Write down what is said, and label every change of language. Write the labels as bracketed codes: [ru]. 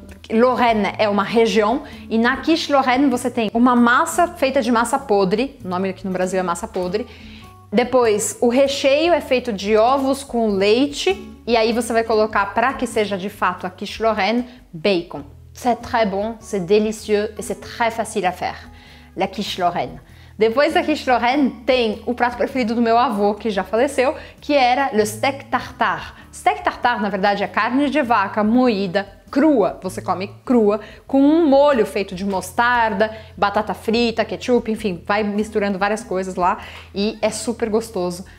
[pt] Lorraine é uma região, e na quiche lorraine você tem uma massa feita de massa podre, o nome aqui no Brasil é massa podre. Depois o recheio é feito de ovos com leite, e aí você vai colocar, para que seja de fato a quiche lorraine, bacon. [fr] C'est très bon, c'est délicieux et c'est très facile à faire, la quiche lorraine. [pt] Depois da quiche lorraine tem o prato preferido do meu avô, que já faleceu, que era le steak tartare. Steak tartare na verdade é carne de vaca moída crua, você come crua, com um molho feito de mostarda, batata frita, ketchup, enfim, vai misturando várias coisas lá, e é super gostoso.